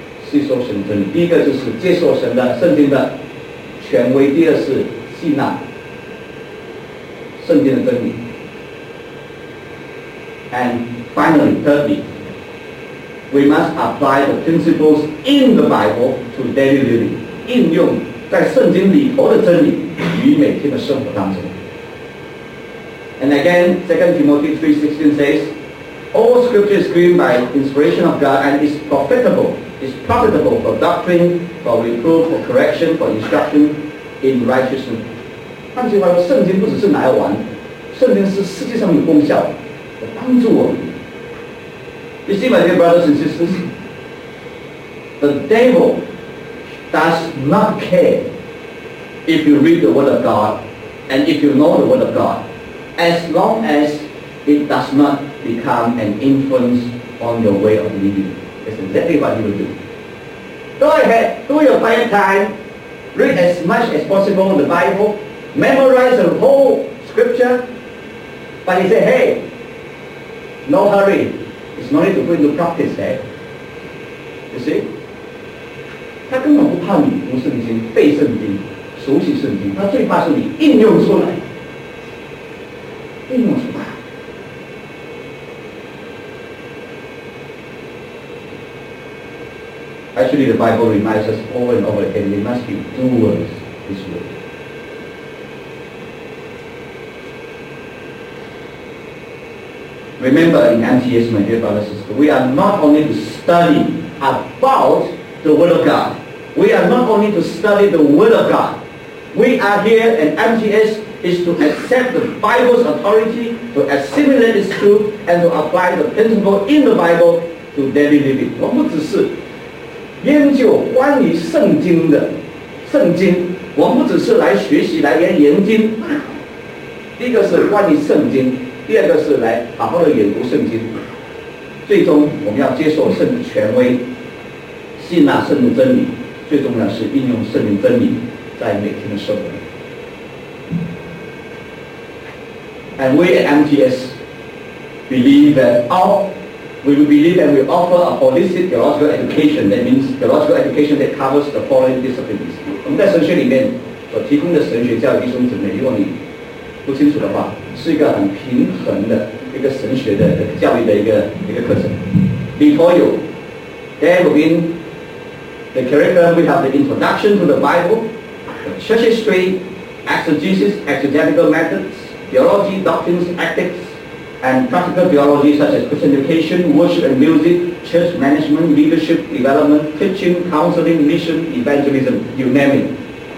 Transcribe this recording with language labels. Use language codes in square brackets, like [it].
[zh] 吸收圣经真理，第一个就是接受神的圣经的权威，第二是。吸纳圣经的真理 [en] ，and finally, thirdly, we must apply the principles in the Bible to daily living. [zh] 应用在圣经里头的真理与每天的生活当中。 [en] And again, 2 Timothy 3:16 says, "All Scripture is given by inspiration of God and is profitable. Is profitable for doctrine, for reproof, for correction, for instruction in righteousness." [zh] 换句话说，圣经不只是拿来玩，圣经是世界上有功效的，帮助我们。 [en] You see, my dear brothers and sisters, the devil does not care if you read the Word of God and if you know the Word of God, as long as it does not become an influence on your way of living. That's exactly what he will do. Go ahead, do your quiet time, read as much as possible in the Bible. Memorize the whole scripture, but he said, hey, no hurry, it's no need to put into practice there. You see? [zh] 他根本不怕你读圣经、背圣经、熟悉圣经，他最怕是你应用出来。应用出来。 [en] Actually, the Bible reminds us over and over again, we must be doers this word. Remember in MTS, my dear brothers and sisters, we are not only to study about the Word of God. We are not only to study the Word of God. We are here, and MTS is to accept the Bible's authority, to assimilate its truth, and to apply the principle in the Bible to daily living. [zh] 我不只是研究关于圣经的圣经，我不只是来学习来研经。第一个是关于圣经，第二个是来好好的研读圣经。最终我们要接受圣的权威，信纳圣的真理，最重要是应用圣的真理在每天的生活。 [en] And we at MTS believe that all we will believe that we offer a holistic theological education. That means theological education that covers the following disciplines. [zh] 我们在神学里面所提供的神学教育，弟兄姊妹，如果你不清楚的话，是一个很平衡的一个神学的教育的一个课程。 [en] Before you, there within the curriculum we have the introduction to the Bible, the church history, exegesis, exegetical methods, theology, doctrines, ethics, and practical theology such as Christian education, worship and music, church management, leadership development, teaching, counseling, mission, evangelism, you name it.